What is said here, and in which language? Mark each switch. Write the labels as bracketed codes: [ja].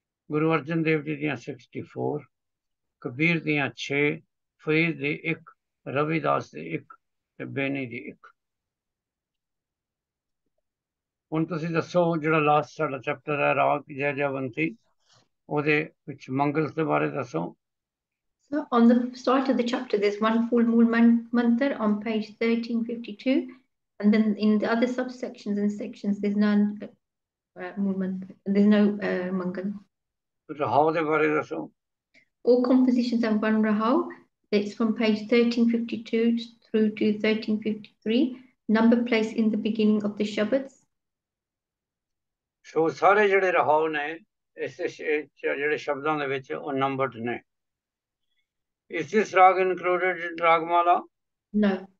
[pa] ਗੁਰੂ ਅਰਜਨ ਦੇਵ ਜੀ ਦੀਆਂ 64, ਕਬੀਰ ਦੀਆਂ 6, ਫਰੀਦ ਦੀ 1, ਰਵਿਦਾਸ ਦੀ 1 ਅਤੇ ਬੇਨੀ ਦੀ 1। ਹੁਣ ਤੁਸੀਂ ਦੱਸੋ ਜਿਹੜਾ ਲਾਸਟ ਸਾਡਾ ਚੈਪਟਰ ਹੈ ਰਾਗ ਜੈ ਜੈਵੰਤੀ, ਉਹਦੇ ਵਿੱਚ ਮੰਗਲ ਦੇ ਬਾਰੇ ਦੱਸੋ। [en] So on the start of the chapter, there's one full mool mantra on page 1352, and then in the other subsections and sections, there's none mool mantra. There's no mangal. [pa] ਰਹਾਉ ਦੇ ਬਾਰੇ ਦੱਸੋ। [en] All compositions are one rahau. It's from page 1352 through to 1353. Number place in the beginning of the shabads. [pa] ਸੋ ਸਾਰੇ ਜਿਹੜੇ ਰਹਾਉ ਨੇ ਇਸ ਜਿਹੜੇ ਸ਼ਬਦਾਂ ਦੇ ਵਿੱਚ ਉਹ ਨੰਬਰਡ ਨੇ। [en] Is this rag included in ragmala? No.